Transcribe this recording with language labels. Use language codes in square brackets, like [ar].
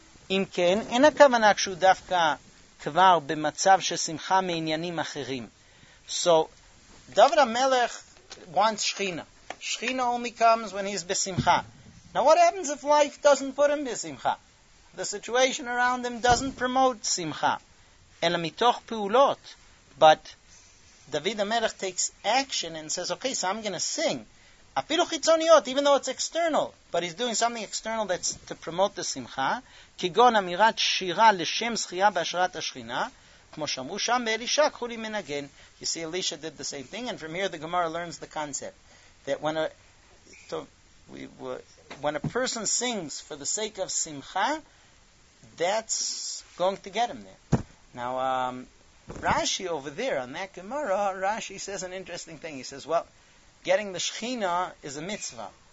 [he] אם כן, אין הכוונה כשהוא דווקא כבר במצב של שמחה מעניינים אחרים. [en] So, דבר המלך wants שכינה. שכינה only comes when he's בשמחה. Now what happens if life doesn't put him בשמחה? The situation around him doesn't promote שמחה. [he] אלא מתוך פעולות. [en] But David המלך takes action and says, okay, so I'm going to sing. [he] אפילו חיצוניות, [en] even though it's external. But he's doing something external that's to promote the שמחה. [he] כגון אמירת שירה לשם זכייה בהשראת השכינה. כמו שאמרו שם באלישה, קחו לי מנגן. [en] You see, Elisha did the same thing. And from here, the Gemara learns the concept. That when a person sings for the sake of simcha, that's going to get him there. Now, Rashi over there on that Gemara, Rashi says an interesting thing. He says, well, getting the Shechina is a mitzvah.